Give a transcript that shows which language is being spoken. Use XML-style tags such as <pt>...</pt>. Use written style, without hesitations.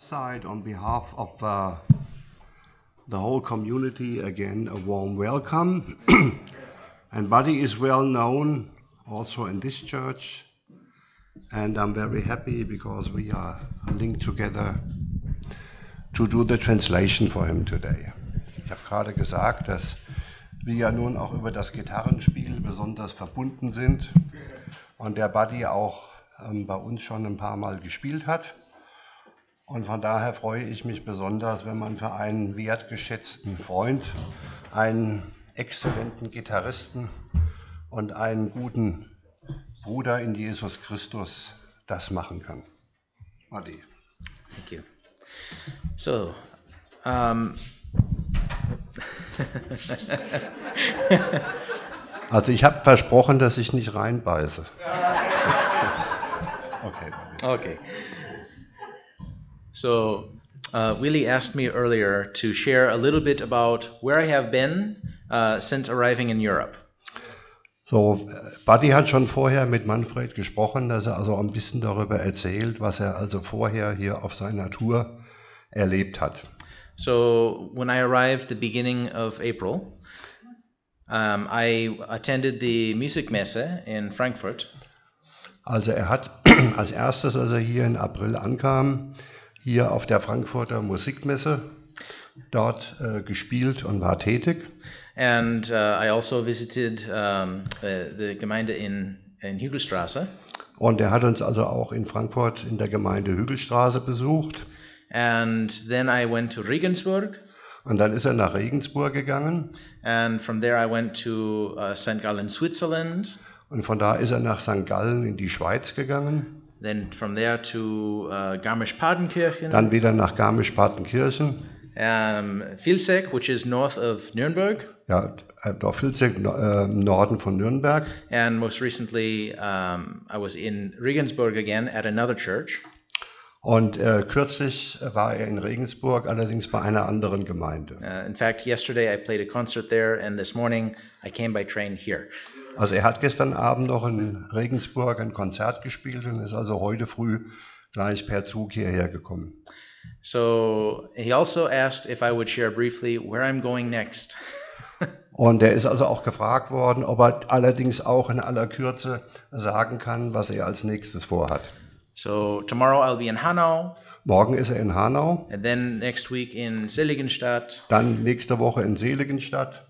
<en>side, on behalf of the whole community, again, a warm welcome. And Buddy is well known also in this church. And I'm very happy because we are linked together to do the translation for him today.</en> <de>Ich habe gerade gesagt, dass wir ja nun auch über das Gitarrenspiel besonders verbunden sind und der Buddy auch bei uns schon ein paar Mal gespielt hat. Und von daher freue ich mich besonders, wenn man für einen wertgeschätzten Freund, einen exzellenten Gitarristen und einen guten Bruder in Jesus Christus das machen kann. Adi.</de> <en>Thank you. So,</en> <de>also ich habe versprochen, dass ich nicht reinbeiße.</de> <en>Okay. So, Willie asked me earlier to share a little bit about where I have been since arriving in Europe.</en> <de>So, Buddy hat schon vorher mit Manfred gesprochen, dass er also ein bisschen darüber erzählt, was er also vorher hier auf seiner Tour erlebt hat.</de> <en>So, when I arrived the beginning of April, I attended the Musikmesse in Frankfurt.</en> <de>Also er hat als erstes, als er hier in April ankam, hier auf der Frankfurter Musikmesse dort gespielt und war tätig.</de> <en>And I also visited the Gemeinde in Hügelstraße.</en> <de>Und er hat uns also auch in Frankfurt in der Gemeinde Hügelstraße besucht.</de> <en>And then I went to Regensburg.</en> <de>Und dann ist er nach Regensburg gegangen.</de> <en>And from there I went to St. Gallen, Switzerland.</en> <de>Und von da ist er nach St. Gallen in die Schweiz gegangen.</de> <en>Then from there to Garmisch-Partenkirchen.</en> <de>Dann wieder nach Garmisch-Partenkirchen.</de> <en>Vilseck, which is north of Nürnberg.</en> <de>Ja, Dorf Vilseck, Norden von Nürnberg.</de> <en>And most recently I was in Regensburg again at another church.</en> <de>Und kürzlich war er in Regensburg, allerdings bei einer anderen Gemeinde.</de> <en>In fact, yesterday I played a concert there and this morning I came by train here.</en> <de>Also er hat gestern Abend noch in Regensburg ein Konzert gespielt und ist also heute früh gleich per Zug hierher gekommen.</de> <en>So he also asked if I would share briefly where I'm going next.</en> <de>Und er ist also auch gefragt worden, ob er allerdings auch in aller Kürze sagen kann, was er als nächstes vorhat.</de> <en>So tomorrow I'll be in Hanau.</en> <de>Morgen ist er in Hanau.</de> <en>And then next week in Seligenstadt.</en> <de>Dann nächste Woche in Seligenstadt.</de>